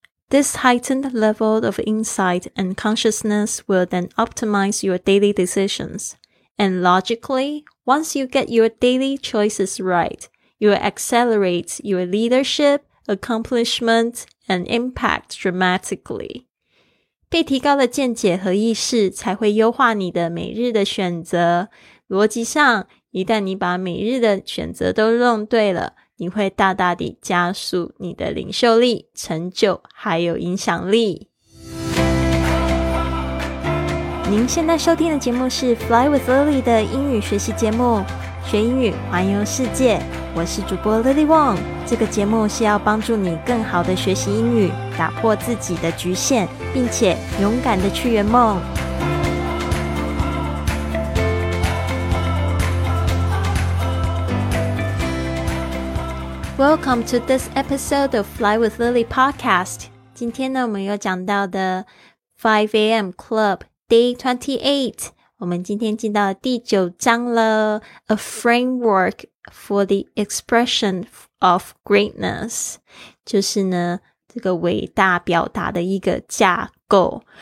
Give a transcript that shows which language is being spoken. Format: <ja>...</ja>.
<en>This heightened level of insight and consciousness will then optimize your daily decisions. And logically, once you get your daily choices right, you will accelerate your leadership, accomplishment, and impact dramatically.</en> <zh>被提高的见解和意识才会优化你的每日的选择。逻辑上，一旦你把每日的选择都弄对了，你会大大地加速你的领袖力、成就还有影响力。您现在收听的节目是 Fly with Lily 的英语学习节目，学英语环游世界。我是主播 Lily Wong， 这个节目是要帮助你更好的学习英语，打破自己的局限，并且勇敢的去圆梦。</zh> <en>Welcome to this episode of Fly with Lily podcast.</en> <zh>今天呢，我们又讲到的 5 a.m. Club Day 28。我们今天进到了第九章了 ，</zh> <en>A framework for the expression of greatness，</en> <zh>就是呢这个伟大表达的一个架构。</zh>